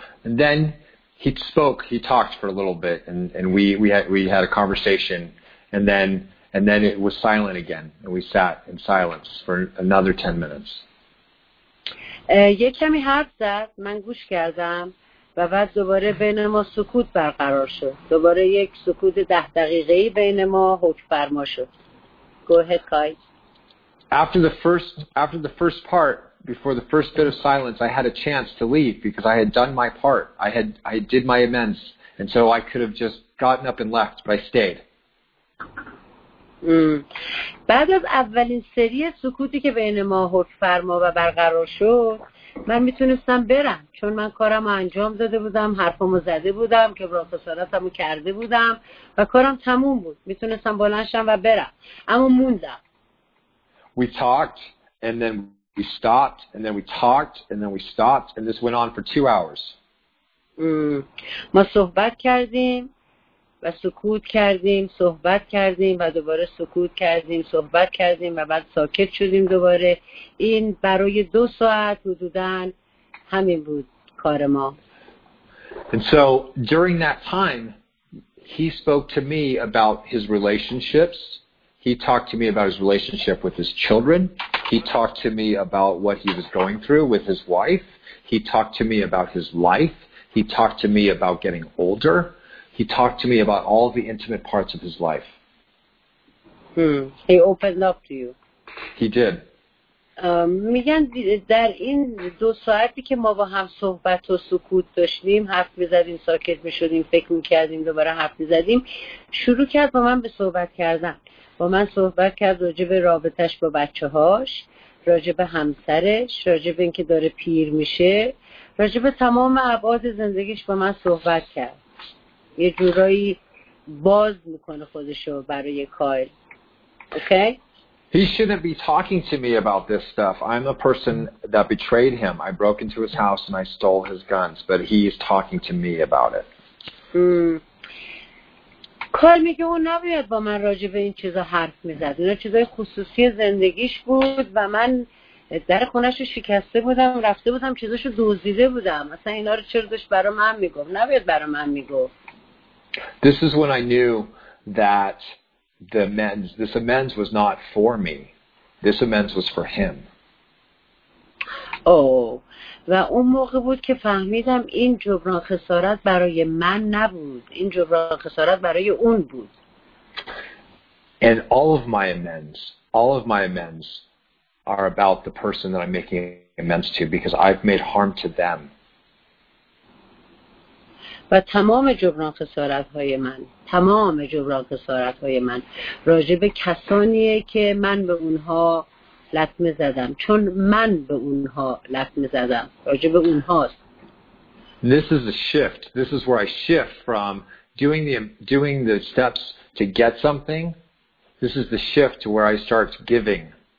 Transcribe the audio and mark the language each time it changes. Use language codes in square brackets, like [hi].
[en] And then he spoke, he talked for a little bit and we had a conversation and then it was silent again and we sat in silence for another 10 minutes. [fa] یک کمی حرف زد، من گوش کردم و بعد دوباره بین ما سکوت برقرار شد. دوباره یک سکوت 10 دقیقه‌ای بین ما حکم فرما شد. [en] Go ahead, Kai. After the first part, before the first bit of silence, I had a chance to leave because I had done my part. I did my amends, and so I could have just gotten up and left, but I stayed. [fa] بعد از اولین سری سکوتی که بین ما حکم فرما و برقرار شد، من میتونستم برم چون من کارم رو انجام داده بودم، حرفم رو زده بودم که جبران خسارتم رو کرده بودم و کارم تموم بود، میتونستم بلند شم و برم، اما موندم. [en] We talked and then we stopped and then we talked and then we stopped and this went on for 2 hours. [fa] ما صحبت کردیم و سکوت کردیم، صحبت کردیم و دوباره سکوت کردیم، صحبت کردیم و بعد ساکت شدیم دوباره. این برای 2 ساعت حدوداً همین بود کار ما. [en] And so during that time he spoke to me about his relationships. He talked to me about his relationship with his children. He talked to me about what he was going through with his wife. He talked to me about his life. He talked to me about getting older. He talked to me about all the intimate parts of his life. He opened up to you. He did. [fa] میگن در این 2 ساعتی که ما با هم صحبت و سکوت داشتیم، حرف می‌زدیم، ساکت می‌شدیم، فکر می‌کردیم، دوباره حرف می‌زدیم، شروع کرد با من به صحبت کردن. با من صحبت کرد راجع به رابطه‌اش با بچه‌هاش، راجع به همسرش، راجع به اینکه داره پیر میشه، راجع به تمام ابعاد زندگیش با من صحبت کرد. یه جورایی باز میکنه خودشو برای کایل. اوکی؟ [en] He shouldn't be talking to me about this stuff. I'm the person that betrayed him. I broke into his house and I stole his guns, but he is talking to me about it. [fa] کایل میگه اون نباید با من راجع به این چیزا حرف میزد. اینا چیزای خصوصی زندگیش بود و من در خونش رو شکسته بودم، رفته بودم، چیزاشو دزدیده بودم. مثلا اینا رو چرا داشت برای من میگفت؟ نباید برای من میگفت. [en] This is when I knew that the amends was not for me. This amends was for him. Oh. [fa] و اون موقع بود که فهمیدم این جبران خسارت برای من نبود. این جبران خسارت برای اون بود. [en] And all of my amends are about the person that I'm making amends to because I've made harm to them. [fa] و تمام جبران خسارت های من راجع به کسانیه که من به اونها لطمه زدم چون من به اونها لطمه زدم راجع به اونهاست. [en] This is a shift. This is where I shift from doing the steps to get something. This is the shift to where I start giving.